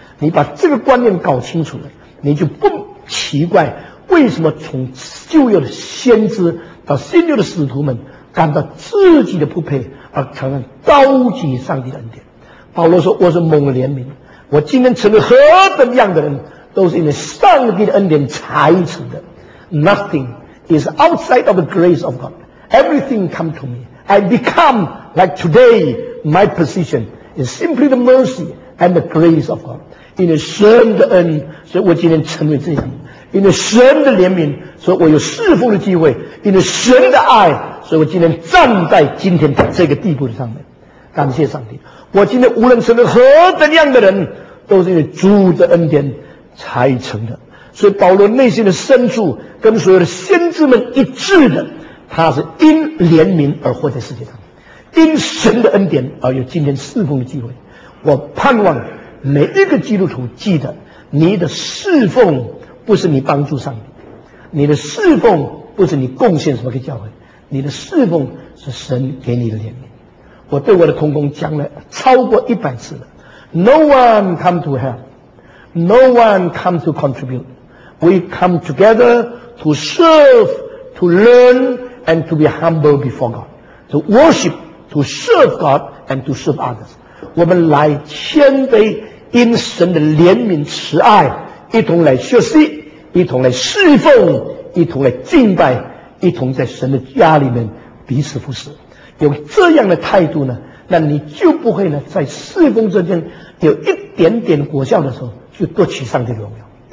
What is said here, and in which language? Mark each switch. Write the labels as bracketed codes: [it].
[zh] 你把这个观念搞清楚了，你就不奇怪为什么从旧约的先知到新约的使徒们感到自己的不配，而承认高举上帝的恩典。保罗说，我是蒙怜悯，我今天成为何等样的人，都是因为上帝的恩典才成的。 [en] Nothing is outside of the grace of God. Everything come to me. I become like today. My position is simply the mercy and the grace of God. [zh] 因为神的恩，所以我今天成为这样；因为神的怜悯，所以我有侍奉的机会；因为神的爱，所以我今天站在今天这个地步上面。感谢上帝，我今天无论成为何等样的人，都是因为主的恩典才成的。所以保罗内心的深处跟所有的先知们一致的，他是因怜悯而活在世界上，因神的恩典而有今天侍奉的机会。我盼望每一个基督徒记得，你的侍奉不是你帮助上帝，你的侍奉不是你贡献什么给教会，你的侍奉是神给你的怜悯。我对我的同工讲了超过100次了， [en] No one come to help, No one come to contribute, We come together to serve, to learn, and to be humble before God, to worship, to serve God, and to serve others. [zh] 我们来谦卑，因神的怜悯慈爱，一同来学习，一同来侍奉，一同来敬拜，一同在神的家里面彼此服侍。有这样的态度呢，那你就不会呢在侍奉中间有一点点果效的时候就夺取上帝的荣耀。